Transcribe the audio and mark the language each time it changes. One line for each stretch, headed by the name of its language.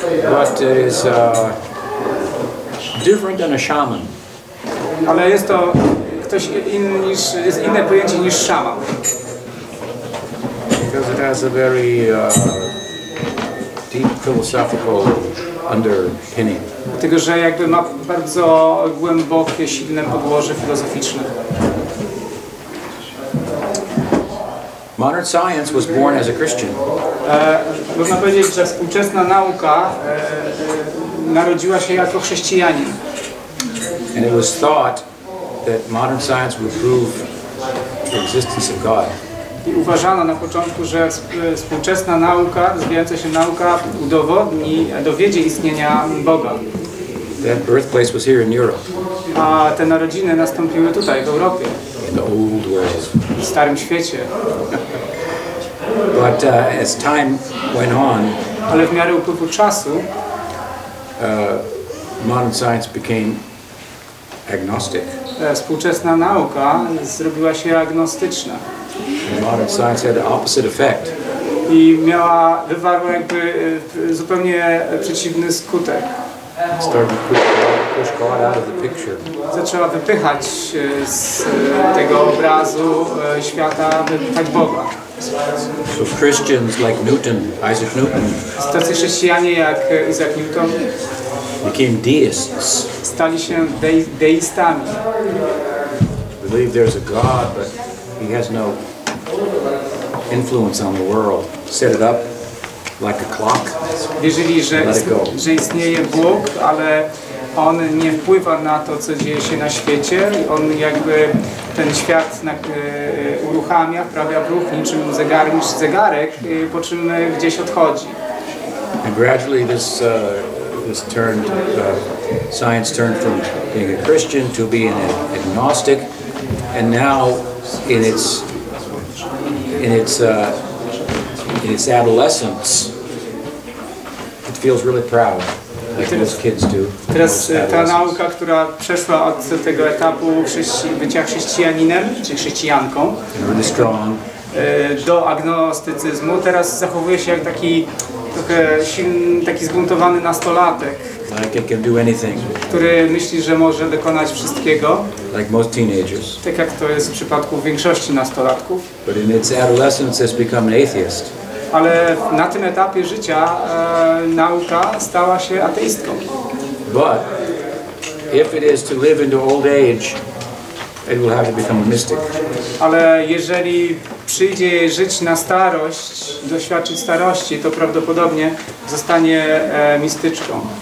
English: What is different than a shaman?
Polish: Ale jest to ktoś inny niż jest inne pojęcie niż szaman.
English: Because it has a very deep philosophical underpinning.
Polish: Dlatego, że jakby ma bardzo głębokie, silne podłoże filozoficzne.
English: Modern science was born as a Christian.
Polish: Można powiedzieć, że współczesna nauka narodziła się jako chrześcijanin.
English: And it was thought that modern science would prove the existence of God.
Polish: I uważano na początku, że współczesna nauka, rozwijająca się nauka, udowodni, dowiedzie istnienia Boga.
English: That birthplace was here in Europe.
Polish: A te narodziny nastąpiły tutaj, w Europie.
English: In the old world.
Polish: W starym świecie.
English: But as time went on,
Polish: ale w miarę upływu czasu,
English: modern science became agnostic.
Polish: Współczesna nauka zrobiła się agnostyczna.
English: Modern science had the opposite effect.
Polish: I miała wywarła jakby zupełnie przeciwny skutek.
English: Started to push God out of the picture.
Polish: Zaczęła wypychać z tego obrazu świata, wypychać Boga.
English: So Christians like Newton, Isaac Newton.
Polish: Tacy chrześcijanie jak Isaac Newton.
English: Became deists.
Polish: Stali się deistami.
English: Believe there's a God, but he has no influence on the world. Set it up like a clock.
Polish: Wierzyli, że istnieje Bóg, ale on nie wpływa na to, co dzieje się na świecie. On jakby ten świat uruchamia, wprawia w ruch niczym zegarek, po czym gdzieś odchodzi.
English: And gradually this turned science turned from being a Christian to being an agnostic, and now in its in its adolescence, it feels really proud, like most kids do.
Polish: Teraz ta nauka, która przeszła od tego etapu bycia chrześcijaninem czy chrześcijanką,
English: really strong,
Polish: do agnostycyzmu, teraz zachowuje się jak taki trochę silny, taki zbuntowany nastolatek,
English: like it can do anything,
Polish: który myśli, że może dokonać wszystkiego.
English: Like most teenagers.
Polish: Tak jak to jest w przypadku większości nastolatków.
English: But in its adolescence has become an atheist.
Polish: Ale na tym etapie życia nauka stała się ateistką.
English: But if it is to live into old age, it will have to become a mystic.
Polish: Ale jeżeli przyjdzie żyć na starość, doświadczyć starości, to prawdopodobnie zostanie mistyczką.